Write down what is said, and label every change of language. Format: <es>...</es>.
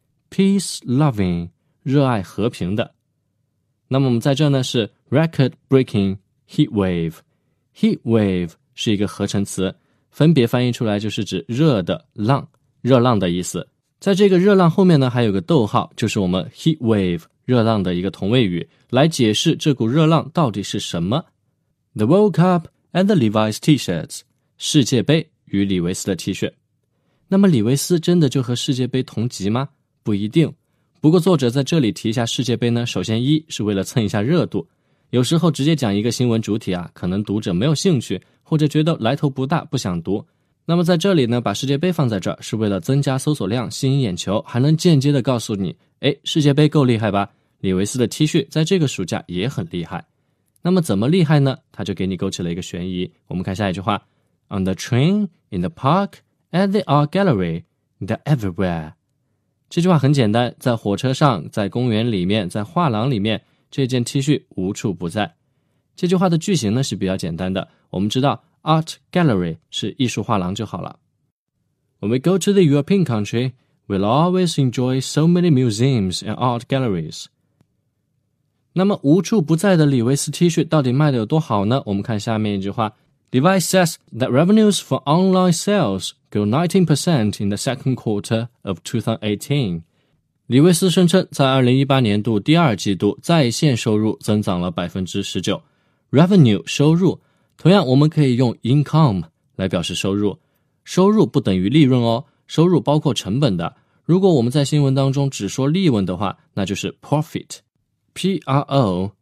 <en>peace loving,</en> <zh>热爱和平的。那么我们在这呢是</zh> <en>record breaking heat wave。</en> <zh>heat wave 是一个合成词。分别翻译出来就是指热的浪，热浪的意思。在这个热浪后面呢还有个逗号，就是我们 heat wave, 热浪的一个同位语，来解释这股热浪到底是什么。</zh> <en>The World Cup and the Levi's t-shirts,</en> <zh>世界杯与李维斯的 T 恤。那么李维斯真的就和世界杯同级吗？不一定。不过作者在这里提一下世界杯呢，首先一是为了蹭一下热度。有时候直接讲一个新闻主体啊，可能读者没有兴趣，或者觉得来头不大不想读。那么在这里呢把世界杯放在这儿，是为了增加搜索量，吸引眼球，还能间接的告诉你，诶，世界杯够厉害吧，李维斯的 T 恤在这个暑假也很厉害。那么怎么厉害呢？他就给你勾起了一个悬疑。我们看下一句话，</zh> <en>On the train, in the park, at the art gallery, they're everywhere.</en> <zh>这句话很简单，在火车上，在公园里面，在画廊里面，这件 T 恤无处不在。这句话的句型呢是比较简单的，我们知道 art gallery 是艺术画廊就好了。</zh> <en>When we go to the European country, we'll always enjoy so many museums and art galleries.</en> <zh>那么无处不在的李维斯 T 恤到底卖得有多好呢？我们看下面一句话。</zh> <en>Levi says that revenues for online sales grew 19% in the second quarter of 2018.</en> <zh>李维斯声称在2018年度第二季度在线收入增长了 19%。 Revenue 收入，同样我们可以用 income 来表示收入，收入不等于利润哦，收入包括成本的。如果我们在新闻当中只说利润的话，那就是 profit， P-R-O</zh>